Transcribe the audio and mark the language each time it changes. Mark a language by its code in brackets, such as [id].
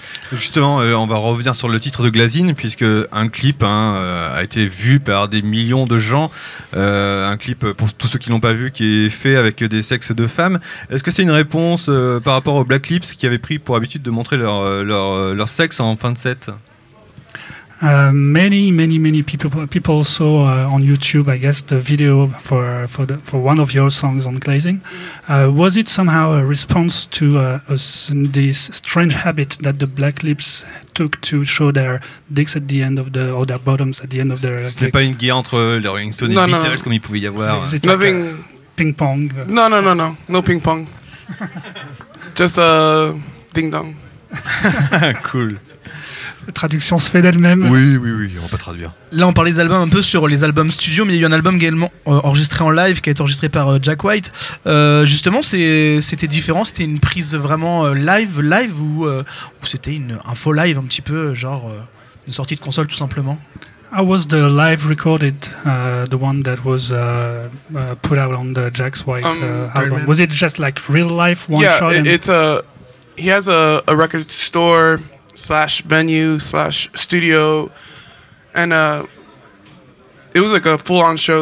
[fr] Justement, on va revenir sur le titre de Glazine, puisque un clip a été vu par des millions de gens. Un clip, pour tous ceux qui ne l'ont pas vu, qui est fait avec des sexes de femmes. Est-ce que c'est une réponse par rapport aux Black Lips qui avaient pris pour habitude de montrer leur sexe en fin de set? [en] Many people saw on YouTube, I guess, the video for one of your songs on glazing. Was it somehow a response to this strange habit that the Black Lips took to show their dicks at the end of the or their bottoms at the end of their? [fr] C'était pas une guerre entre les Rolling Stones et Beatles comme il pouvait y avoir. [en] Nothing. Ping pong. No ping pong. Just a ding dong. Cool. [fr] La traduction se fait d'elle-même. Oui, on va pas traduire. Là, on parlait des albums un peu sur les albums studio, mais il y a eu un album également enregistré en live qui a été enregistré par Jack White. Justement, c'était différent, c'était une prise vraiment live ou c'était un faux live un petit peu, genre une sortie de console tout simplement. [en] How was the live recorded, the one that was put out on the Jack White album? Was it just like real life one yeah, shot? Yeah, he has a record store. / venue / studio, and it was like a full-on show.